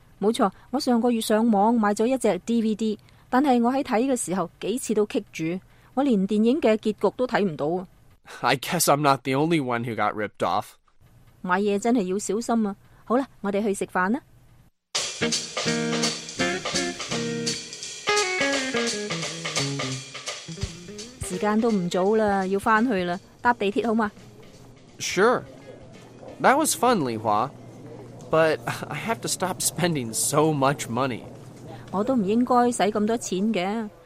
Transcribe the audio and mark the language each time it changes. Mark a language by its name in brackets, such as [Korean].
[Cantonese] 冇错，我上个月上网买咗一只 DVD， 但系我喺睇嘅时候几次都棘住，我连电影嘅结局都睇唔到。 [English] I guess I'm not the only one who got ripped off. [Cantonese] 买嘢真系要小心啊！好啦，我哋去食饭啦。时间都唔早啦，要翻去啦，搭地铁好吗 [English] ？Sure, that was fun, Li Hua, but I have to stop spending so much money. [Cantonese] 我都唔应该使咁多钱嘅。